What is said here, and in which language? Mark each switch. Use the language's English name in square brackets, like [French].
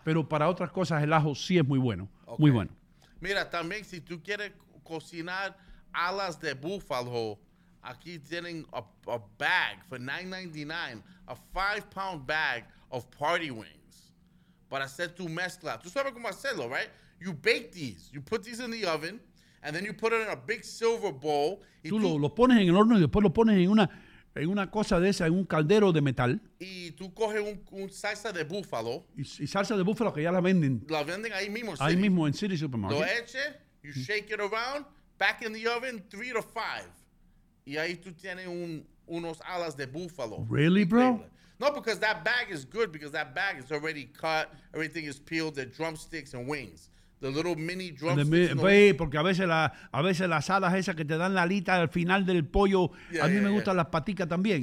[Spanish] Pero para otras cosas el ajo sí es muy bueno. Okay. Muy bueno. Mira, también si tú quieres cocinar alas de búfalo, aquí tienen [English] a bag for $9.99, a 5-pound bag of party wings [Spanish] para hacer tu mezcla. Tú sabes cómo hacerlo, right? [English] You bake these. You put these in the oven and then you put it in a big silver bowl. [Spanish] Tú lo pones en el horno y después lo pones en una cosa de esa, en un caldero de metal. Y tú coges un salsa de búfalo. Y salsa de búfalo que ya la venden. La venden ahí mismo. Ahí mismo en City Supermarket. Lo eches. [English] You shake it around, back in the oven, 3 to 5. [Spanish] Y ahí tú tienes unos alas de búfalo. [English] Really, bro? No, because that bag is good, because that bag is already cut. Everything is peeled, the drumsticks and wings. The little mini drumsticks. [Spanish] Porque a veces las alas esas que te dan la alita al final del pollo, a mí me gustan las paticas también.